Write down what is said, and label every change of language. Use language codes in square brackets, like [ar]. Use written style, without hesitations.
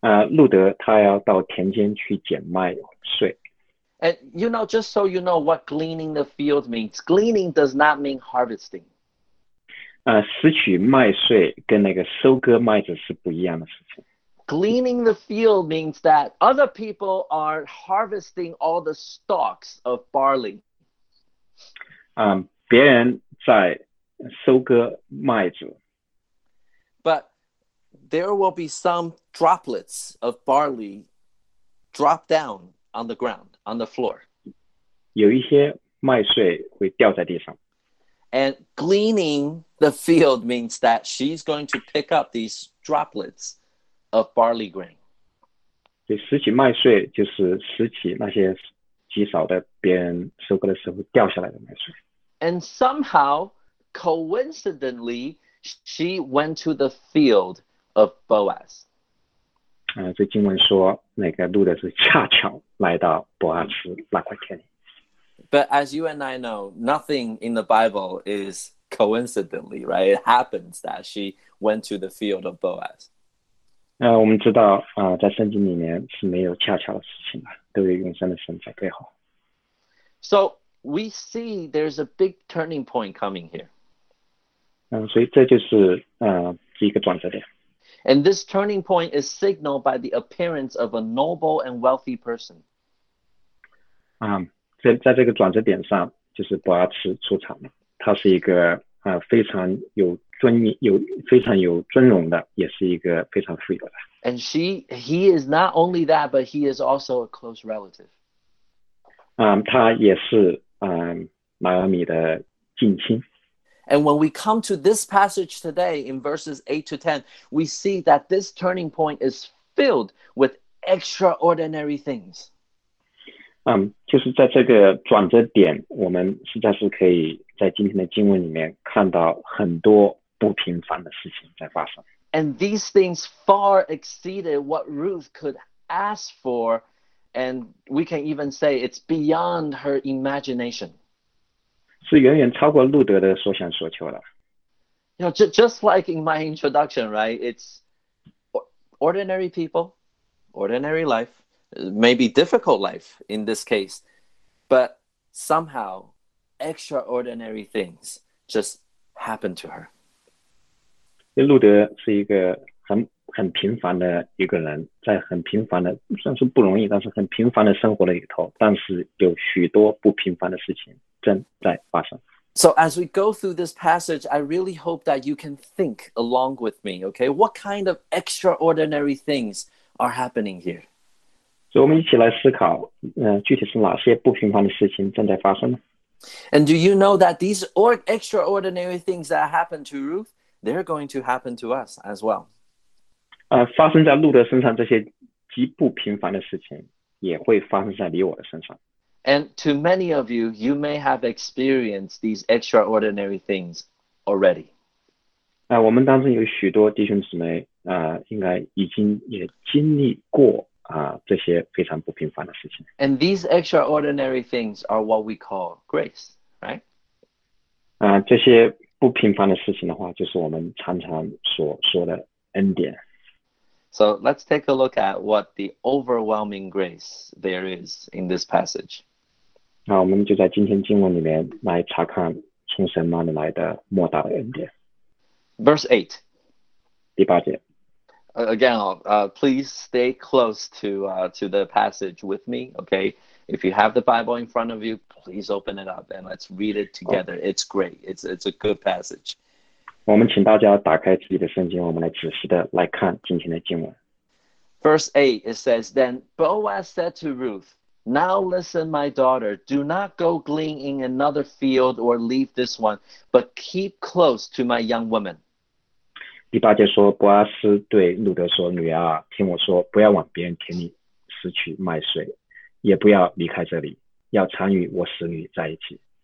[zh] 路德他要到田间去捡麦穗。 [en] And you know, just so you know what gleaning the field means, gleaning does not mean harvesting. [zh] 拾取麦穗跟那个收割麦子是不一样的事情。 [en] Gleaning the field means that other people are harvesting all the stalks of barley. [zh] 别人在收割麦子。 [en] But there will be some droplets of barley drop down on the ground, on the floor. [zh] 有一些麦穗会掉在地上。 [en] And gleaning the field means that she's going to pick up these droplets of barley grain. [zh] 对，拾起麦穗就是拾起那些极少的别人收割的时候掉下来的麦穗。 [en] And somehow, coincidentally, she went to the field of Boaz. [zh] 这经文说，那个路德是恰巧来到伯阿斯那块田里。 [en] But as you and I know, nothing in the Bible is coincidentally, right? It happens that she went to the field of Boaz. [zh] 我们知道，在圣经里面是没有恰巧的事情的，都有永生的神在背后。 [en] So we see there's a big turning point coming here. [zh] 所以这就是一个转折点。 [en] And this turning point is signaled by the appearance of a noble and wealthy person. [zh] 在这个转折点上，就是伯阿茨出场了。他是一个非常有尊严、有非常有尊荣的，也是一个非常富有的。 [en] And he is not only that, but he is also a close relative. [zh] 他也是拿俄米的近亲。 [en] And when we come to this passage today in verses 8 to 10, we see that this turning point is filled with extraordinary things. [zh] 就是在这个转折点，我们实在是可以在今天的经文里面看到很多不平凡的事情在发生。 [en] And these things far exceeded what Ruth could ask for, and we can even say it's beyond her imagination. [zh] 是远远超过路德的所想所求的。 [en] You know, just like in my introduction, right? It's ordinary people, ordinary life, maybe difficult life in this case, but somehow extraordinary things just happened to her. [zh] 路德是一个很平凡的一个人，在很平凡的，虽然是不容易，但是很平凡的生活里头，但是有许多不平凡的事情正在发生。 [en] So as we go through this passage, I really hope that you can think along with me, okay? What kind of extraordinary things are happening here? [zh] 所以我们一起来思考，具体是哪些不平凡的事情正在发生呢？ [en] And do you know that these extraordinary things that happened to Ruth, they're going to happen to us as well? [zh] 发生在路德身上这些极不平凡的事情也会发生在你我的身上。 [en] And to many of you, you may have experienced these extraordinary things already. [zh] 我们当中有许多弟兄姊妹，应该已经也经历过这些非常不平凡的事情。 [en] And these extraordinary things are what we call grace, right? [zh] 这些不平凡的事情的话，就是我们常常所说的恩典。 [en] So let's take a look at what the overwhelming grace there is in this passage. [zh] 那我们就在今天经文里面来查看从神那里来的莫大的恩典。 [en] Verse 8。 [zh] 第八节。 [en] Again, please stay close to the passage with me, okay? If you have the Bible in front of you, please open it up and let's read it together. It's great. It's a good passage. [zh] 我们请大家打开自己的圣经，我们来仔细的来看今天的经文。 [en] Verse 8, it says, Then Boaz said to Ruth, Now listen, my daughter, do not go glean in another field or leave this one, but keep close to my young woman. [zh] 第八节说，伯阿斯对路德说：“女儿啊，听我说，不要往别人田里拾取麦穗，也不要离开这里，要常与我使女在一起。